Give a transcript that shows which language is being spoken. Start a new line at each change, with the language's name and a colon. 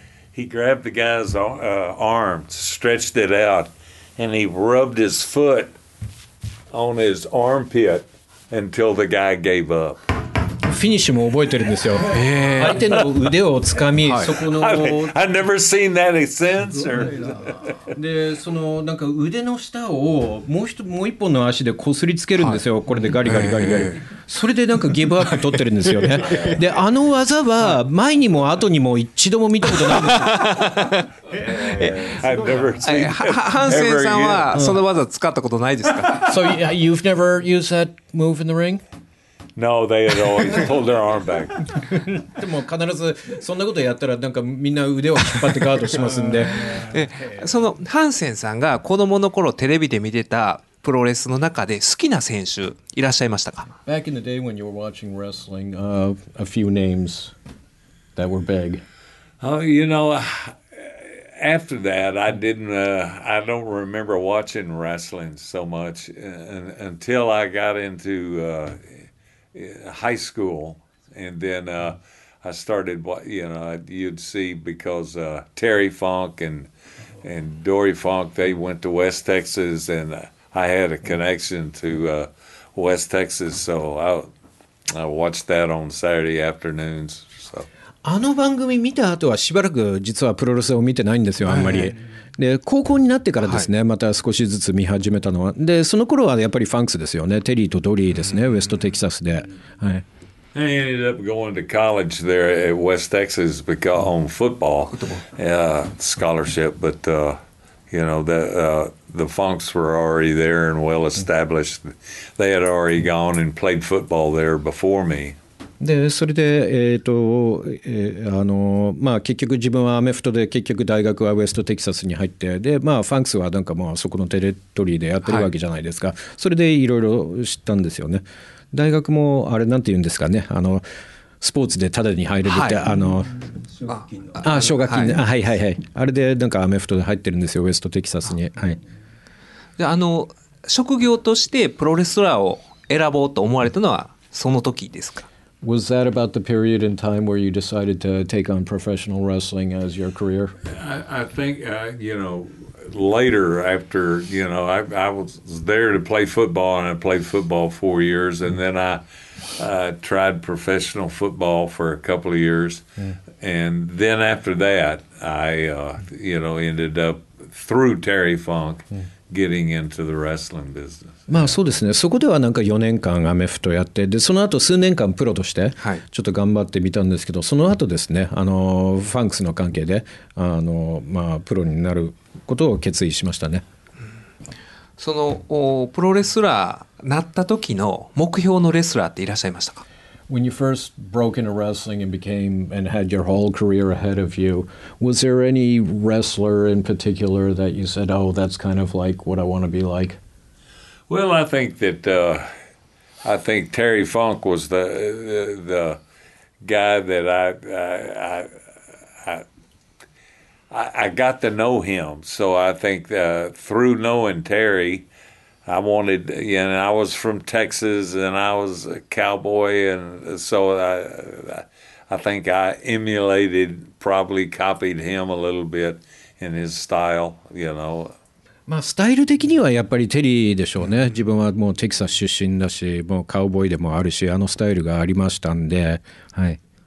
English: He grabbed the guy's arm, stretched it out, and he rubbed his foot on his armpit until the guy gave up.
Japanese: フィニッシュも覚えてるんですよ、相手の腕をつかみ、そこの
English: I've never seen that since or...
Japanese: でそのなんか腕の下をもう一本の足でこすりつけるんですよ、はい、これでガリガリガリガリ、それでなんかギブアップ取ってるんですよね。であの技は前にも後にも一度も見たことないんですよ。ハンセンさんはその技使ったことないですか？
English: So you've never used that move in the ring No, they had always pulled their arm back.
Japanese: でも必ずそんなことやったらなんかみんな腕を引っ張ってガードしますんで。そのハンセンさんが子供の頃テレビで見てたプロレスの中で好きな選手いらっしゃいましたか？
English: Back in the day when you were watching wrestling, a few names that were big. You know, after that, I don't remember watching wrestling so much until I got into high school, and then I started, you know, you'd see because Terry Funk and Dory Funk, they went to West Texas, and I had a connection to West Texas, so I watched that on Saturday afternoons. So.
Japanese: あの番組見た後はしばらく実はプロレスを見てないんですよ、あんまり。で高校になってからですね、はい、また少しずつ見始めたのは、でその頃はやっぱりファンクスですよね、テリーとドリーですね、ウェストテキサスで、はい、
English: I ended up going to college there at West Texas because on football scholarship, but you know the Funks were already there and well established, they had already gone and played football there before me。
Japanese: でそれで、まあ、結局自分はアメフトで結局大学はウェストテキサスに入って、で、まあ、ファンクスはなんかもうそこのテレトリーでやってるわけじゃないですか、はい、それでいろいろ知ったんですよね。大学もあれなんて言うんですかね、あのスポーツでタダに入れるって、はい、あの奨学金の、はい、はいはいはい、あれでなんかアメフトで入ってるんですよ、ウェストテキサスに。あ、はい、であの職業としてプロレスラーを選ぼうと思われたのはその時ですか？
English: Was that about the period in time where you decided to take on professional wrestling as your career? I think, you know, later after, you know, I was there to play football, and I played football 4 years, and then I tried professional football for a couple of years. And then after that, I, you know, ended up through Terry Funk getting into the wrestling business.
Japanese: まあそうですね。そこではなんか4年間アメフトやって、でその後数年間プロとしてちょっと頑張ってみたんですけど、その後ですね、あのファンクスの関係であの、まあ、プロになることを決意しましたね。そのプロレスラーなった時の目標のレスラーっていらっしゃいましたか？
English: When you first broke into wrestling and became and had your whole career ahead of you, was there any wrestler in particular that you said, oh, that's kind of like what I want to be like? Well, I think that I think Terry Funk was the guy that I got to know him. So I think through knowing Terry, I wanted, yeah, and I was from Texas, and I was a cowboy, and so I think I emulated, probably copied him a little bit in his style, you know.
Japanese: まあ、スタイル的にはやっぱりテリーでしょうね。自分はもうテキサス出身だし、もうカウボーイでもあるし、あのスタイルがありましたんで、はい。